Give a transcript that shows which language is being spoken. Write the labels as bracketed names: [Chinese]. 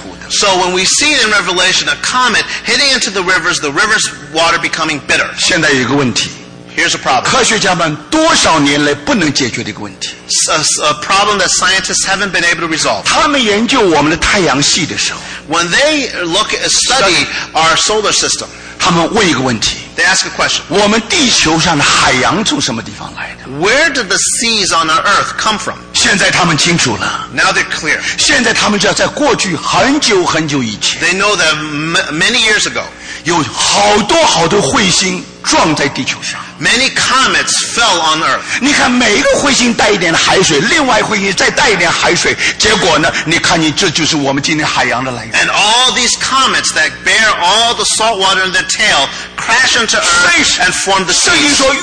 [English] so when we see in Revelation a comet hitting into the rivers, the rivers water becoming bitter. [Chinese] 现在有一个问题, [English] here's a problem. [Chinese] 科学家们多少年来不能解决的一个问题, [English] a problem that scientists haven't been able to resolve. [Chinese] 他们研究我们的太阳系的时候, [English] when they look at study our solar system, [Chinese] 他们问一个问题, [English] they ask a question. [Chinese] 我们地球上的海洋从什么地方来的? [English] Where did the seas on our earth come from? [Chinese] 现在他们清楚了, [English] now they're clear. [Chinese] 现在他们知道在过去很久很久以前, [English] they know that many years ago, [Chinese] 有好多好多彗星撞在地球上, [English] many comets fell on earth. [Chinese] 你看每一个彗星带一点海水, 另外一个彗星再带一点海水, 结果呢, 你看你, 这就是我们今天海洋的来源, [English] and all these comets that bear all the salt water in their tail crash into earth and form the seas.